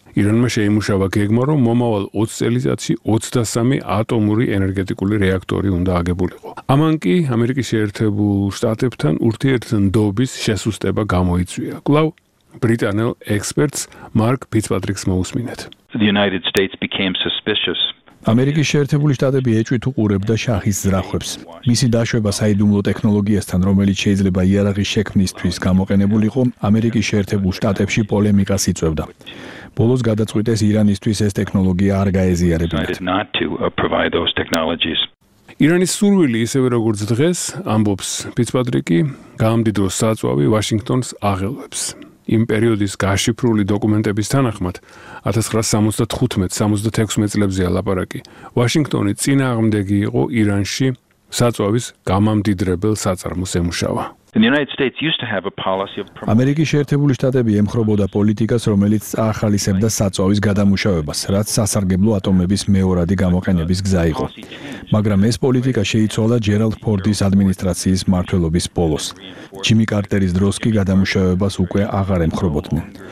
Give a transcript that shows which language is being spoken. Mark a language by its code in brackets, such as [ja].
[ka] ირანმა შეიმუშავა გეგმა, რომ მომავალ 20 წელიწადში 23 ატომური ენერგეტიკული რეაქტორი უნდა აგებულიყო. ამან კი ამერიკის შეერთებულ შტატებთან ურთიერთდობის შესუსტება გამოიწვია. კვლავ ბრიტანელ ექსპერტს მარკ ფიცპატრიკს მოუსმინეთ. [en] The United States became suspicious. [ka] ამერიკის შეერთებული შტატები ეჭვით უყურებდა შაჰის ზრახვებს. მისი დაშვება საიდუმლო ტექნოლოგიასთან, რომელიც შეიძლება იარაღის შექმნისთვის გამოყენებულიყო, ამერიკის შეერთებულ შტატებში პოლემიკას იწვევდა. ბოლოს გადაწყვიტეს ირანისთვის ეს ტექნოლოგია არ გაეზიარებინათ. ირანის სურვილი, ისევე როგორც დღეს, ამბობს ფიცპატრიკი, გამდიდროს საწვავი ვაშინგტონს აღელვებს. იმ პერიოდის გაშიფრული დოკუმენტების თანახმად, 1975-76 წლებზეა ლაპარაკი, ვაშინგტონი წინააღმდეგი იყო ირანში საწვავის გამამდიდრებელ საწარმოს ემუშავა. [en] The United States used to have a policy of promoting [ka] ამერიკის შეერთებული შტატები ემხრობოდა პოლიტიკას, რომელიც ახალისებდა საწვავის გადამუშავებას, რაც სასარგებლო ატომების მეორადი გამოყენების გზა იყო. მაგრამ ეს პოლიტიკა შეიცვალა ჯერალდ ფორდის ადმინისტრაციის მმართველობის ბოლოს. ჯიმი კარტერის დროს კი გადამუშავებას უკვე აღარ ემხრობოდნენ.